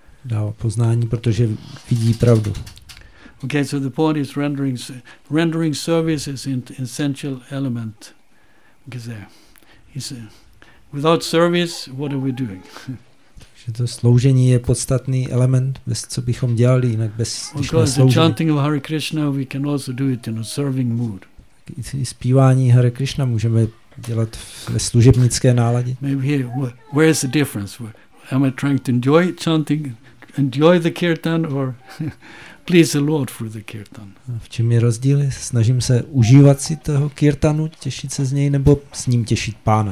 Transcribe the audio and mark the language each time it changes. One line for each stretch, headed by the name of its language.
Czech: Dává poznání, protože vidí pravdu.
English: Okay, so the point is rendering services is an essential element. Because without service, what are we doing?
Czech: Takže to sloužení je podstatný element, bez co bychom dělali, jinak bez sloužení.
English: Because the chanting of Hare Krishna, we can also do it in a serving mood.
Czech: I zpívání Hare Krishna můžeme dělat ve služebnické náladě.
English: Maybe here, where is the difference? Am I trying to enjoy chanting? Enjoy the kirtan or please the Lord through the kirtan.
Czech: V čem je rozdíl? Snažím se užívat si toho kirtanu, těšit se z něj nebo s ním těšit pána.